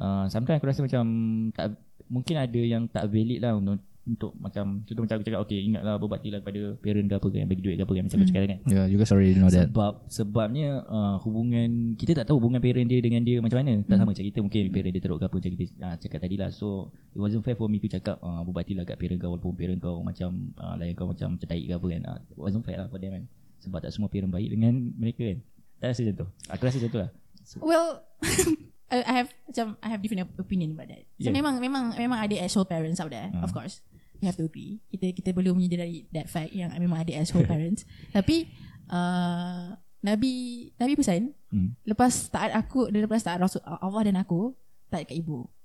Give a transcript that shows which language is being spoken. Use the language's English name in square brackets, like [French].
[Malay] Sometimes aku rasa macam tak, mungkin ada yang tak valid lah untuk, untuk macam contoh macam aku cakap okay, ingatlah berbakti lah kepada parent ke apa ke, yang bagi duit ke apa ke, macam aku cakap kan. [English] Yeah, you guys already know that. [Malay] Sebab, sebabnya hubungan kita tak tahu hubungan parent dia dengan dia macam mana. Tak sama macam kita, mungkin parent dia teruk ke apa macam kita cakap tadi lah. [English] So it wasn't fair for me to [Malay] cakap berbakti lah kat parent kau, walaupun parent kau macam layan kau macam cetaik ke apa kan. [English] It wasn't fair lah for them kan. [Malay] Sebab tak semua parent baik dengan mereka kan. Tak rasa macam tu. Aku rasa macam tu lah. [English] So, well, I have different opinion about that. So memang ada asshole parents out there, of course. We have to agree. [Malay] Kita belum menyedari [English] that fact [Malay] yang memang ada [English] asshole parents. [Malay] Tapi Nabi pesan, lepas taat aku, lepas taat Rasul Allah dan aku, taat dekat ibu.